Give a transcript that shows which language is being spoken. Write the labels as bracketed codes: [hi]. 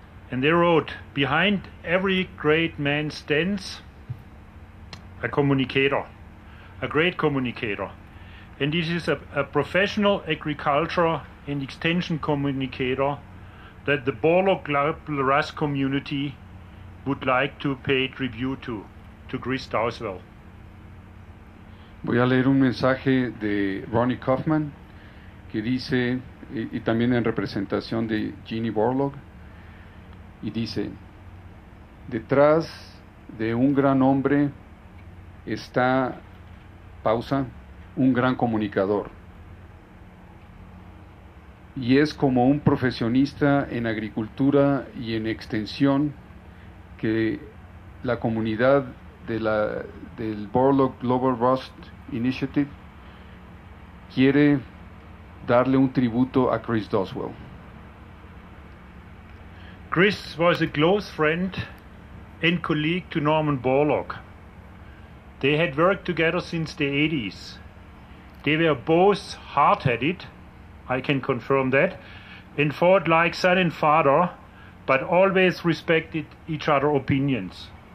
[en] And they wrote, "Behind every great man stands a communicator, a great communicator. And this is a professional agriculture and extension communicator that the Borlaug Global Rust community would like to pay tribute to. To Chris Dowswell." [es] Voy a leer un mensaje de Ronnie Kaufman, que dice, y también en representación de Jeannie Borlaug, y dice: "Detrás de un gran hombre está, pausa, un gran comunicador. Y es como un profesionista en agricultura y en extensión que la comunidad del Borlaug Global Rust Initiative quiere darle un tributo a Chris Dowswell. [en] Chris was a close friend and colleague to Norman Borlaug. They had worked together since the 80s. They were both hard-headed, I can confirm that, and fought like son and father, but always respected each other's opinions.